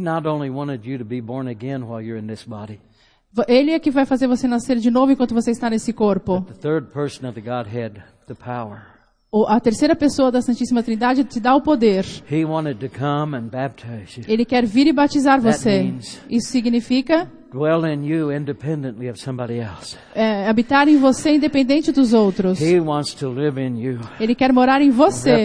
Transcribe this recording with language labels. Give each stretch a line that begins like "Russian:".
English: not only wanted you to be born again while you're in this body.
Portuguese: Ele é que vai fazer você nascer de novo enquanto você está nesse corpo.
English: The third person of the Godhead, the power.
Portuguese: A terceira pessoa da Santíssima Trindade te dá o poder.
English: He wanted to come and baptize you.
Portuguese: Ele quer vir e batizar você. Isso significa
English: dwell in you independently of somebody else.
Portuguese: Habitar em você independente dos outros.
English: He wants to live in you.
Portuguese: Ele quer morar em você.